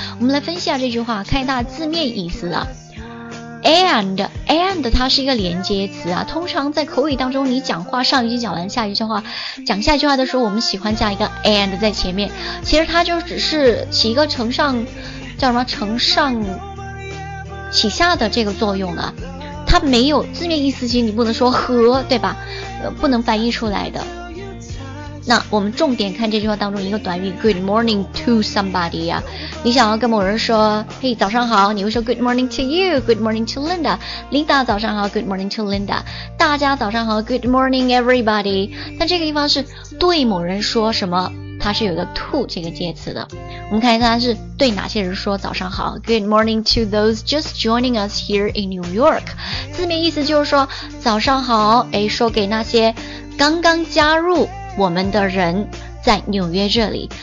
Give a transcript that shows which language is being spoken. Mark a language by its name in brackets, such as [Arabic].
[Chinese] 我们来分析一下这句话，看一下字面意思啊。And 它是一个连接词啊，通常在口语当中你讲话上一句讲完下一句话，讲下一句话的时候我们喜欢加一个 and 在前面，其实它就只是起一个承上叫什么承上启下的这个作用啊，它没有字面意思，其实你不能说和对吧，不能翻译出来的。那我们重点看这句话当中一个短语 [English] good morning to somebody [Chinese] 啊，你想要跟某人说嘿早上好，你会说 [English] good morning to you， good morning to Linda， [Chinese] Linda 早上好， good morning to Linda， 大家早上好， [English] good morning everybody。 [Chinese] 那这个地方是对某人说什么，它是有一个 to 这个介词的，我们看一下它是对哪些人说早上好， [English] good morning to those just joining us here in New York， [Chinese] 字面意思就是说早上好，哎，说给那些刚刚加入我们的人在纽约这里。